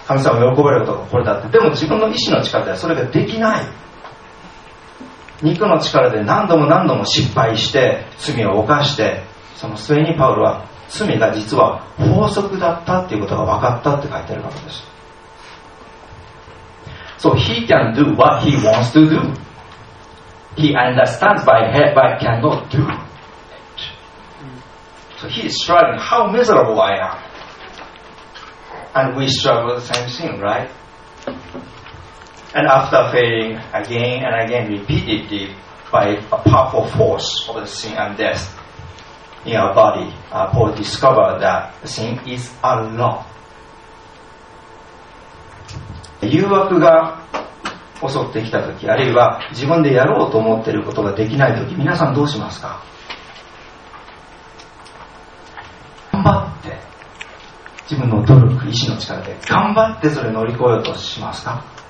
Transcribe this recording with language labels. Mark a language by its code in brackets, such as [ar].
[ja] 神様が喜ばれることがこれだって。でも自分の意志の力ではそれができない。肉の力で何度も何度も失敗して罪を犯して、その末にパウロは罪が実は法則だったっていうことが分かったって書いてあるわけです。 [en] So he can do what he wants to do. He understands by head but cannot do. So he is struggling how miserable I am. And we struggle the same thing, right? And after failing again and again repeatedly by a powerful force of the sin and deathin our body, Paul discovered that sin is a law. [ja] 誘惑が襲ってきたとき、あるいは自分でやろうと思っていることができないとき、皆さんどうしますか？頑張って自分の努力、意志の力で頑張ってそれ乗り越えようとしますか？